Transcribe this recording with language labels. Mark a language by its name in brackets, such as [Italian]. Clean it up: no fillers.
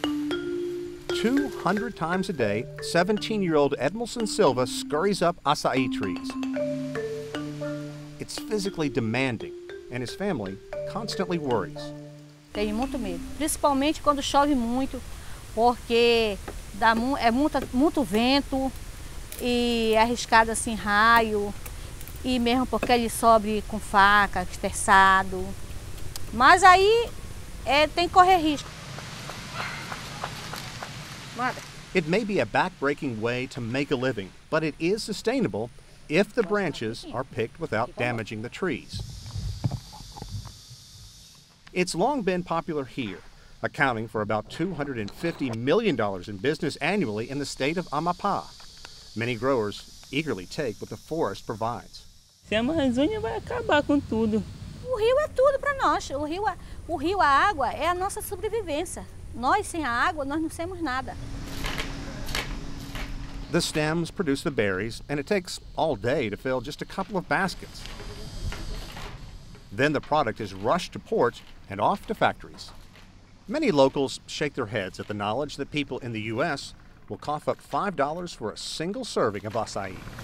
[English] A hundred times a day, 17-year-old Edmilson Silva scurries up acai trees. It's physically demanding, and his family constantly worries. [Portuguese] Tenho muito medo, principalmente quando chove muito, porque dá muito vento e é arriscado assim raio e mesmo porque ele sobe com faca, estressado. Mas aí tem que correr risco. Mata. [English] It may be a back-breaking way to make a living, but it is sustainable if the branches are picked without damaging the trees. It's long been popular here, accounting for about $250 million in business annually in the state of Amapá. Many growers eagerly take what the forest provides. [Portuguese] Se a Amazônia vai acabar com tudo. O rio é tudo para nós. O rio, a água é a nossa sobrevivência. Nós sem a água, nós não somos nada. [English] The stems produce the berries, and it takes all day to fill just a couple of baskets. Then the product is rushed to port and off to factories. Many locals shake their heads at the knowledge that people in the U.S. will cough up $5 for a single serving of acai.